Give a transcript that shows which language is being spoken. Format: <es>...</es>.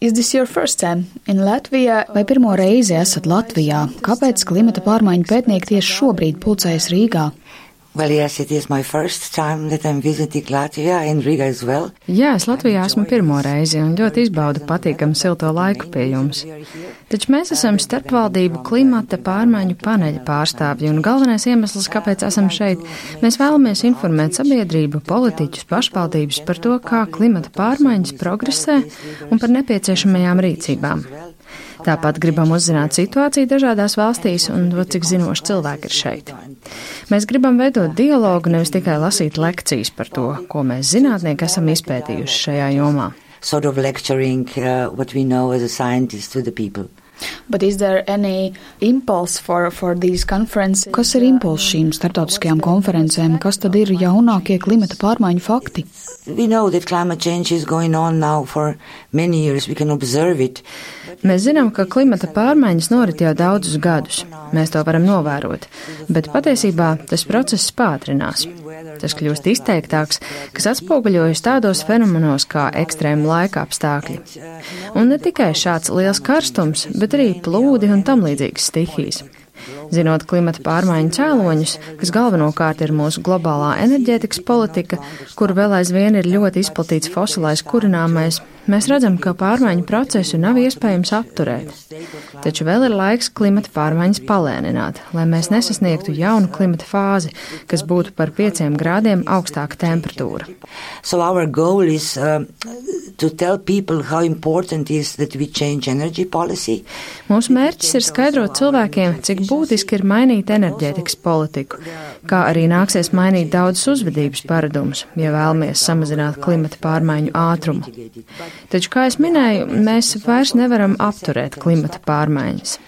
<en>Is this your first time in Latvia?</en> <lv>Vai pirmo reizi esat Latvijā? Kāpēc klimata pārmaiņu pētnieki tieši šobrīd pulcējas Rīgā?</lv> <en>Well, yes, it is my first time that I'm visiting Latvia and Riga as well.</en> <lv>Jā, es Latvijā esmu pirmo reizi un ļoti izbaudu patīkamu silto laiku pie jums. Taču mēs esam starpvaldību klimata pārmaiņu paneļa pārstāvji un galvenais iemesls, kāpēc esam šeit. Mēs vēlamies informēt sabiedrību, politiķus, pašvaldības par to, kā klimata pārmaiņas progresē un par nepieciešamajām rīcībām. Tāpat gribam uzzināt situāciju dažādās valstīs un to, cik zinoši cilvēki ir šeit. Mēs gribam veidot dialogu, nevis tikai lasīt lekcijas par to, ko mēs zinātnieki esam izpētījuši šajā jomā.</lv> <en>Sort of lecturing what we know as a scientist to the people. But is there any impulse for these conferences?</en> <lv>Kas ir impuls šīm starptautiskajām konferencēm? Kas tad ir jaunākie klimata pārmaiņu fakti?</lv> <en>We know that climate change is going on now for many years. We can observe it.</en> <lv>Mēs zinām, ka klimata pārmaiņas norit jau daudzus gadus. Mēs to varam novērot. Bet patiesībā tas process pātrinās. Tas kļūst izteiktāks, kas atspoguļojas tādos fenomenos kā ekstrēma laika apstākļi. Un ne tikai šāds liels karstums, bet arī plūdi un tamlīdzīgas stihijas. Zinot klimata pārmaiņu cēloņus, kas galvenokārt ir mūsu globālā enerģētikas politika, kur vēl aizvien ir ļoti izplatīts fosilais kurināmais, mēs redzam, ka pārmaiņu procesu nav iespējams apturēt. Taču vēl ir laiks klimata pārmaiņas palēnināt, lai mēs nesasniegtu jaunu klimata fāzi, kas būtu par 5 grādiem augstāka temperatūra.</lv> <en>So our goal is to tell people how important is that we change energy policy.</en> <lv>Mūsu mērķis ir skaidrot cilvēkiem, cik būtiski ir mainīt enerģētikas politiku, kā arī nāksies mainīt daudzas uzvedības paradumus, ja vēlamies samazināt klimata pārmaiņu ātrumu. Taču, kā es minēju, mēs vairs nevaram apturēt klimata pārmaiņas.</lv>